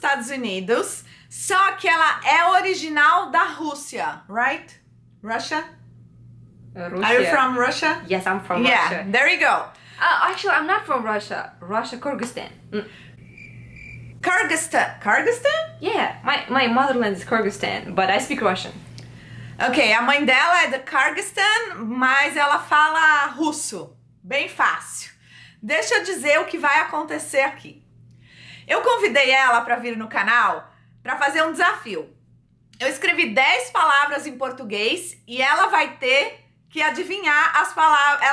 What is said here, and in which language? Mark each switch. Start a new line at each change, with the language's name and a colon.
Portuguese: Unidos, só que ela é original da Rússia, right?
English: Russia? Russia. Are you from Russia? Yes, I'm from yeah, Russia. Yeah, there you go. Actually, I'm not from Russia. Russia, Kyrgyzstan. Kyrgyzstan? Kyrgyzstan? Yeah, my motherland is Kyrgyzstan, but I speak Russian.
Portuguese: Okay, a mãe dela é de Kyrgyzstan, mas ela fala russo. Bem fácil. Deixa eu dizer o que vai acontecer aqui. Eu convidei ela para vir no canal para fazer um desafio. Eu escrevi 10 palavras em português e ela vai ter que adivinhar as palavras.